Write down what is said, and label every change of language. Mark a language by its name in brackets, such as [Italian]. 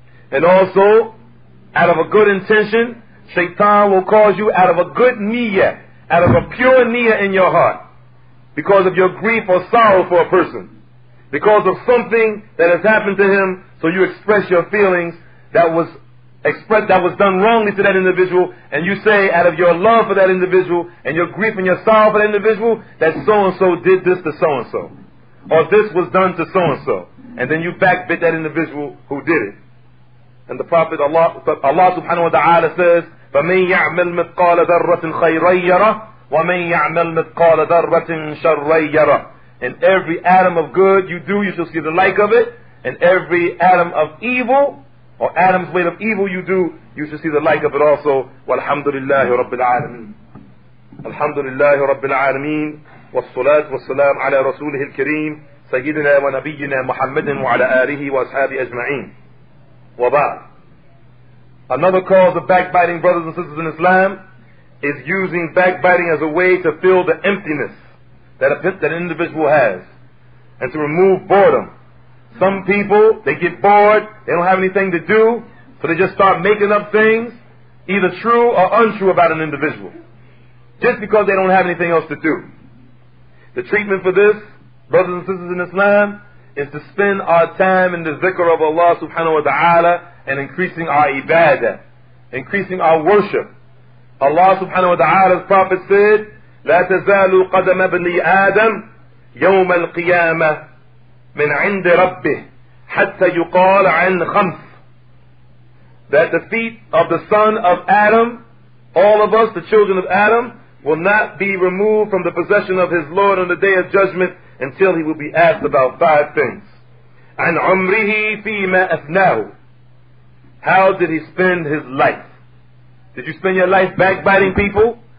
[English] And also, out of a good intention, shaitan will cause you, out of a good niyyah, out of a pure niyyah in your heart, because of your grief or sorrow for a person, because of something that has happened to him, so you express your feelings that was done wrongly to that individual, and you say out of your love for that individual and your grief and your sorrow for that individual that so-and-so did this to so-and-so, or this was done to so-and-so, and then you backbit that individual who did it. And the Prophet Allah subhanahu wa ta'ala says, [Arabic] فَمَنْ يَعْمَلْ مِثْقَالَ ذَرَّةٍ خَيْرًا يَرَهُ وَمَنْ يَعْمَلْ مِثْقَالَ ذَرَّةٍ شَرًّا يَرَهُ. [English] And every atom of good you do, you shall see the like of it. And every atom of evil, or atom's weight of evil you do, you shall see the like of it also. [Arabic] وَالْحَمْدُ رَبِّ الْعَالَمِينَ. الحمد لله رب العالمين والصلاة والسلام على رسوله الكريم سيدنا ونبينا محمد وعلى آله وأصحابه أجمعين. وبعد. [English] Another cause of backbiting, brothers and sisters in Islam, is using backbiting as a way to fill the emptiness that an individual has and to remove boredom. Some people, they get bored, they don't have anything to do, so they just start making up things, either true or untrue about an individual, just because they don't have anything else to do. The treatment for this, brothers and sisters in Islam, is to spend our time in the zikr of Allah subhanahu wa ta'ala and increasing our ibadah, increasing our worship. Allah subhanahu wa ta'ala's Prophet said, [Arabic] لَا تَزَالُوا قَدَمَ بْنِي آدَمْ يَوْمَ الْقِيَامَةِ مِنْ عِنْدِ رَبِّهِ حَتَّى يُقَالَ عَنْ خَمْسِ. [English] That the feet of the son of Adam, all of us, the children of Adam, will not be removed from the possession of his Lord on the day of judgment until he will be asked about five things. [Arabic] عَنْ عُمْرِهِ فِي مَا أَثْنَاهُ. [English] How did he spend his life? Did you spend your life backbiting people?